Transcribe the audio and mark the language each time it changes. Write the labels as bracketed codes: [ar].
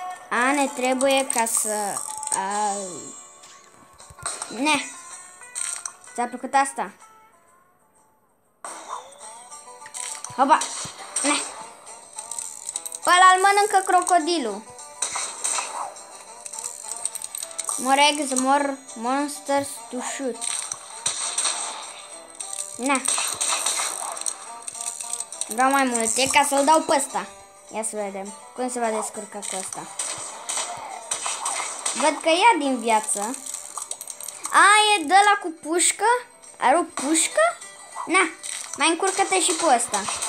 [ro] A, ne trebuie ca să... Ne! Ți-a plăcut asta? Hopa! Ne! Ăla-l mănâncă crocodilul! [en] More eggs, more monsters to shoot! [ro] Ne! Vreau mai multe ca să-l dau pe ăsta! Ia să vedem cum se va descurca cu ăsta! Văd că ia din viață. A, e de ăla cu pușcă? Are o pușcă? Na, mai încurcă-te și cu ăsta.